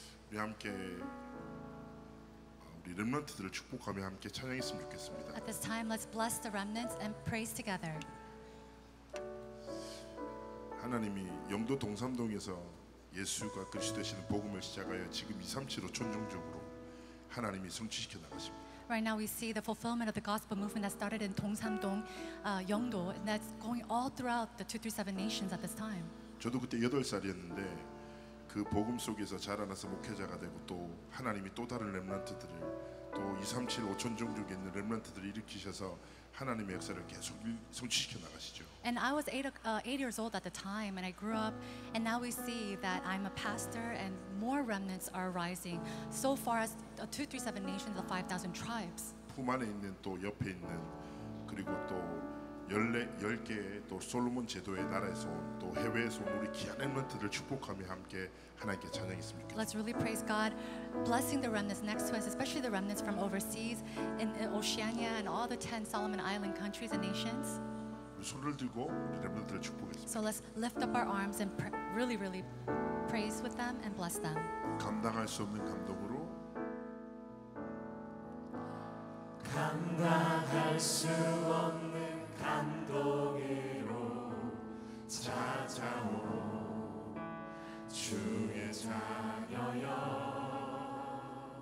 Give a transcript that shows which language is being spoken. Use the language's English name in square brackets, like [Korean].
[Korean] 우리 함께 우리 렘넌트들을 축복하며 함께 찬양했으면 좋겠습니다. [English] At this time, let's bless the remnants and praise together. [Korean] 하나님이 영도 동삼동에서 예수가 그리스도시는 복음을 시작하여 지금 2, 3, 7, 5천 종족으로 하나님이 성취시켜 나가십니다. [English] Right now we see the fulfillment of the gospel movement that started in Dongsamdong, Yeongdo, and that's going all throughout the 237 nations at this time. [Korean] 저도 그때 8살이었는데 그 복음 속에서 자라나서 목회자가 되고 또 하나님이 또 다른 렘넌트들을 또 2, 3, 7, 5천 종족에 있는 렘넌트들을 일으키셔서 하나님의 역사를 계속 성취시켜 나가시죠. [English] And I was eight years old at the time, and I grew up, and now we see that I'm a pastor, and more remnants are rising. So far as the 237 nations, the 5,000 tribes. [Korean] 품 안에 있는 또 옆에 있는 그리고 또 열 개의 또 솔로몬 제도의 나라에서 또 해외에서 우리 귀한 렘넌트들 축복함이 함께 하나님께 찬양했습니다. [English] Let's really praise God, blessing the remnants next to us, especially the remnants from overseas in Oceania and all the 10 Solomon Island countries and nations. [Korean] 손을 들고 우리 렘넌트를 축복했습니다. [English] So let's lift up our arms and really, really praise with them and bless them. [Korean] 감당할 수 없는 감동으로. 감당할 수 없는 감동으로 찾아오 주의 자녀여